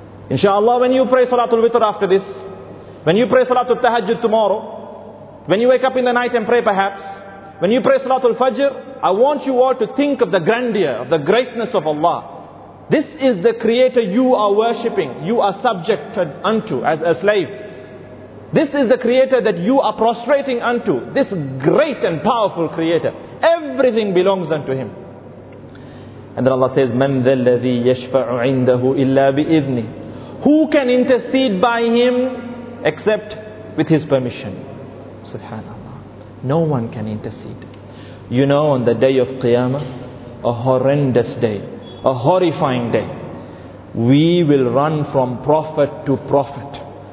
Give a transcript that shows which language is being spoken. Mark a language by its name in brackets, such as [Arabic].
[English] InshaAllah, when you pray Salatul Witr after this, when you pray Salatul Tahajjud tomorrow, when you wake up in the night and pray perhaps, when you pray Salatul Fajr, I want you all to think of the grandeur, of the greatness of Allah. This is the creator you are worshipping, you are subjected unto as a slave. This is the creator that you are prostrating unto, this great and powerful creator. Everything belongs unto Him. And then Allah says, [Arabic] مَنْ ذَا الَّذِي يَشْفَعُ عِنْدَهُ إِلَّا بِإِذْنِهِ. [English] Who can intercede by Him except with His permission? Subhanallah. No one can intercede. You know, on the day of Qiyamah, a horrendous day, a horrifying day, we will run from prophet to prophet.